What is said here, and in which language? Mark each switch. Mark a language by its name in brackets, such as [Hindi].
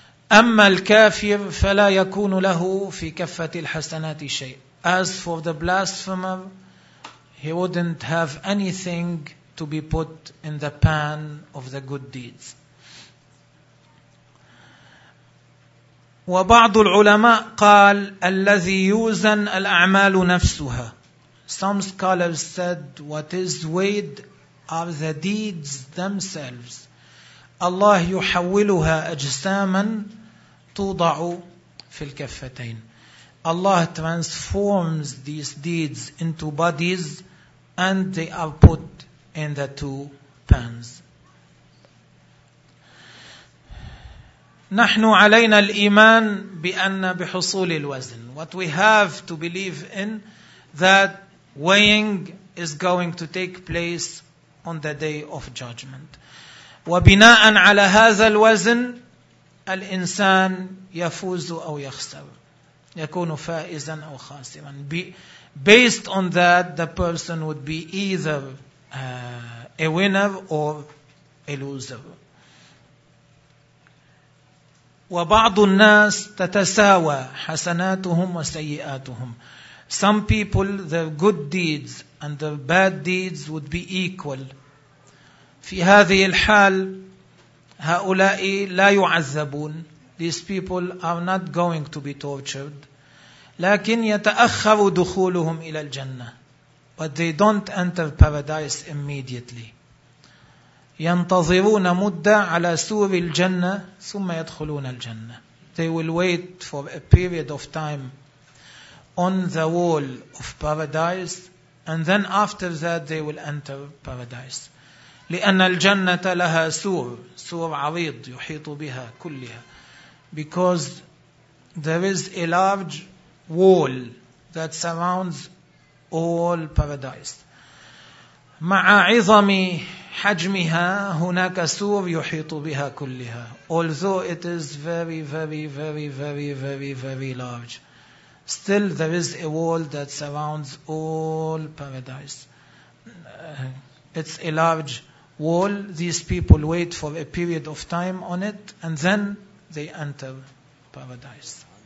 [Arabic] أما الكافر فلا يكون له في كفة الحسنات شيء. [English] As for the blasphemer, he wouldn't have anything to be put in the pan of the good deeds. [Arabic] وبعض العلماء قال الذي يوزن الأعمال نفسها. [English] Some scholars said what is weighed are the deeds themselves. [Arabic] Allah يحولها أجساما توضع في الكفتين. [English] Allah transforms these deeds into bodies and they are put in the two pans. [Arabic] نحن علينا الإيمان بأن بحصول الوزن. [English] What we have to believe in, that weighing is going to take place on the day of judgment. [Arabic] وبناء على هذا الوزن الإنسان يفوز أو يخسر, يكون فائزا أو خاسرا. [English] Based on that, the person would be either a winner or a loser. [Arabic] وبعض الناس تتساوى حسناتهم وسيئاتهم. [English] Some people, their good deeds and their bad deeds would be equal. [Arabic] في هذه الحال هؤلاء لا يعذبون. [English] These people are not going to be tortured. [Arabic] لكن يتأخر دخولهم إلى الجنة. [English] But they don't enter paradise immediately. [Arabic] ينتظرون مدة على سور الجنة ثم يدخلون الجنة. [English] They will wait for a period of time on the wall of paradise and then after that they will enter paradise. [Arabic] لأن الجنة لها سور, سور عريض يحيط بها كلها. [English] Because there is a large wall that surrounds all paradise. [Arabic] مع عظم حجمها هناك سور يحيط بها كلها. [English] Although it is very, very, very, very, very, very large, still there is a wall that surrounds all paradise. It's a large wall. These people wait for a period of time on it and then they enter paradise.